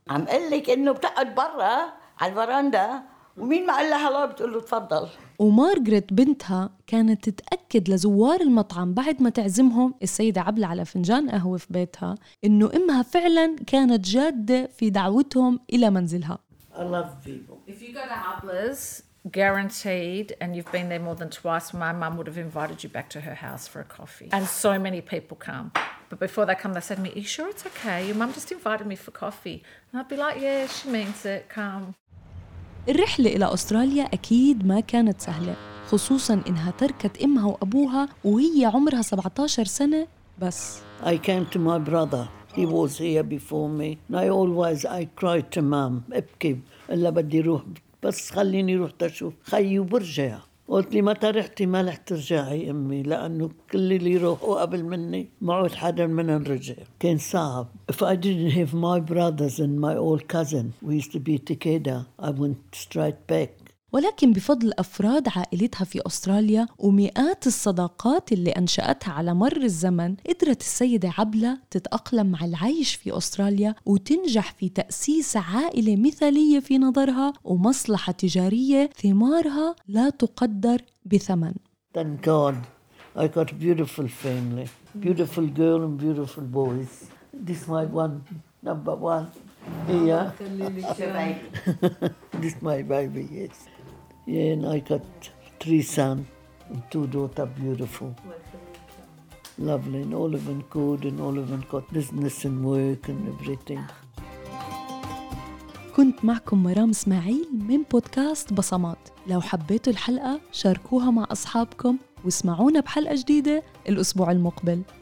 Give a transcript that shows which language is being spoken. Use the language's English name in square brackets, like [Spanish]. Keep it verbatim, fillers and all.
[Arabic] عم قلك إنه بتقعد برا على الفراندا ومين ما قال لها هلا بتقول له تفضل. ومارغريت بنتها كانت تتأكد لزوار المطعم بعد ما تعزمهم السيدة عبلة على فنجان قهوة في بيتها إنه أمها فعلا كانت جادة في دعوتهم إلى منزلها. [English] I love people. If you go to Abla's, guaranteed, and you've been there more than twice, my mum would have invited you back to her house for a coffee. And so many people come. But before they come, they said to me, are you sure it's okay? Your mum just invited me for coffee. And I'd be like, yeah, she means it, come. [Arabic] الرحلة إلى أستراليا أكيد ما كانت سهلة، خصوصاً إنها تركت إمها وأبوها وهي عمرها سبعتاشر سنة بس. [English] I came to my brother. He was here before me. And I always, I cried to mum. [Arabic] أبكي. إلا بدي روح بس خليني رحت أشوف خيي وبرجع. قلت لي متى رحتي؟ ما رح ترجعي أمي، لأنه كل اللي يروحوا قبل مني ما عود حدا منهم رجع. كان صعب. [English] If I didn't have my brothers and my old cousin, we used to be together, I went straight back. [Arabic] ولكن بفضل أفراد عائلتها في أستراليا ومئات الصداقات اللي أنشأتها على مر الزمن، قدرت السيدة عبلة تتأقلم مع العيش في أستراليا وتنجح في تأسيس عائلة مثالية في نظرها ومصلحة تجارية ثمارها لا تقدر بثمن. [English] Thank God, I got a beautiful family, beautiful girl and beautiful boys. This is my one, number one. Yeah. This is my baby, yes. Yeah, and I got three sons and two daughters, beautiful. Lovely, and all of them good, and all of them got business and work and everything. [Arabic] كنت معكم مرام اسماعيل من بودكاست بصمات. لو حبيتوا الحلقة شاركوها مع أصحابكم واسمعونا بحلقة جديدة الأسبوع المقبل.